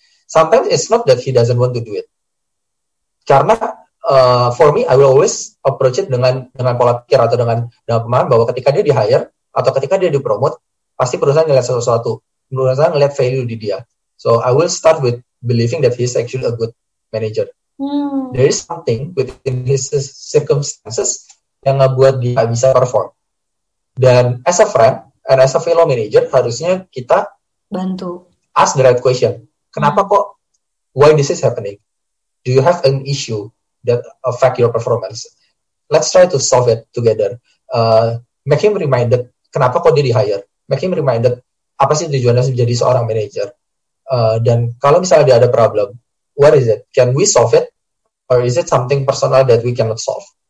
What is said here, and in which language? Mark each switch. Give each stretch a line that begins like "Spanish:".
English: Sometimes it's not that he doesn't want to do it.
Indonesian: Karena
English: for me, I will always approach it
Indonesian: dengan pola pikir atau dengan pemahaman bahwa ketika dia di hire atau ketika dia di promote, pasti perusahaan ngelihat sesuatu, perusahaan ngelihat value di dia.
English: So I will start with believing that he's actually a good manager. There is something within his circumstances
Indonesian: yang ngebuat dia bisa
English: perform. Dan as a friend and as a fellow manager,
Indonesian: harusnya kita bantu.
English: Ask the right question.
Indonesian: Kenapa kok?
English: Why this is happening? Do you have an issue that affect your performance? Let's try to solve it together. Make him reminded
Indonesian: kenapa kok dia di hire.
English: Make him reminded
Indonesian: apa sih tujuannya menjadi seorang manager. Dan kalau misalnya dia ada problem,
English: what is it? Can we solve it? Or is it something personal that we cannot solve?